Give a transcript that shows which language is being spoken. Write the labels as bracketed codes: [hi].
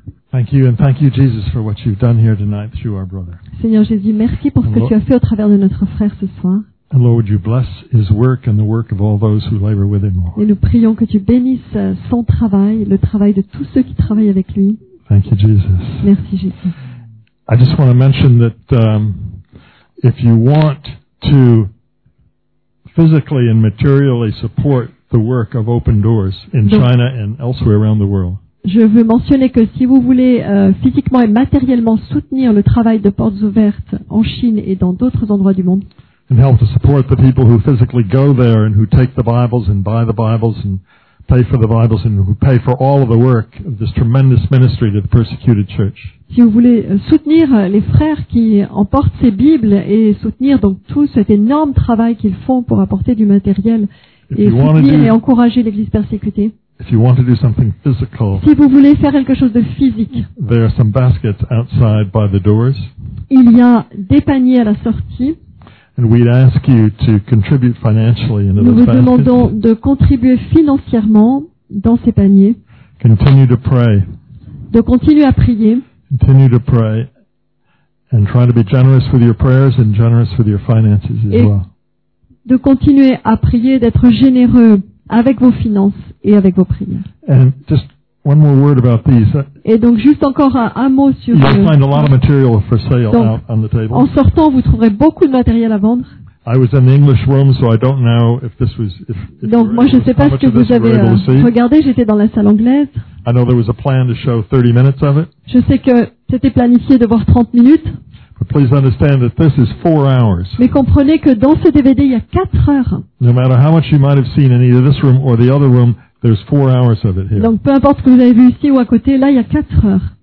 [en] Thank you and thank you, Jesus, for what you've done here tonight through our brother. [fr] Seigneur Jésus, merci pour ce que tu as fait au travers de notre frère ce soir. [en] And Lord, would you bless his work and the work of all those who labor with him. [fr] Et nous prions que tu bénisses son travail, le travail de tous ceux qui travaillent avec lui. [en] Thank you, Jesus. [fr] Merci Jésus. [en] I just want to mention that if you want to physically and materially support the work of Open Doors in China and elsewhere around the world. [fr] Je veux mentionner que si vous voulez physiquement et matériellement soutenir le travail de Portes Ouvertes en Chine et dans d'autres endroits du monde. [en] And help to support the people who physically go there and who take the Bibles and buy the Bibles and pay for the Bibles and who pay for all of the work of this tremendous ministry to the persecuted church. [fr] Si vous voulez soutenir les frères qui emportent ces Bibles et soutenir donc tout cet énorme travail qu'ils font pour apporter du matériel et soutenir et encourager l'église persécutée. [en] If you want to do something physical, [fr] si vous voulez faire quelque chose de physique, [en] there are some baskets outside by the doors. [fr] Il y a des paniers à la sortie. [en] And we'd ask you to contribute financially into those baskets. [fr] Nous vous demandons de contribuer financièrement dans ces paniers. [en] Continue to pray. [fr] De continuer à prier. [en] Continue to pray and try to be generous with your prayers and generous with your finances as well. [fr] De continuer à prier, d'être généreux avec vos finances et avec vos prières. [en] And just one more word about these. [fr] Et donc juste encore un mot sur. [en] You'll find a lot of material for sale [fr] donc, [en] out on the table. [fr] En sortant, vous trouverez beaucoup de matériel à vendre. [en] I was in the English room, so I don't know if this was. [fr] Donc moi je ne sais pas ce que vous avez regardé. J'étais dans la salle anglaise. [en] I know there was a plan to show 30 minutes of it. [fr] Je sais que c'était planifié de voir 30 minutes. [en] But please understand that this is 4 hours. [fr] Mais comprenez que dans ce DVD il y a 4 heures. [en] No matter how much you might have seen in either this room or the other room. There's 4 hours of it here. [fr] Donc peu importe ce que vous avez vu ici ou à côté, là il y a 4 heures.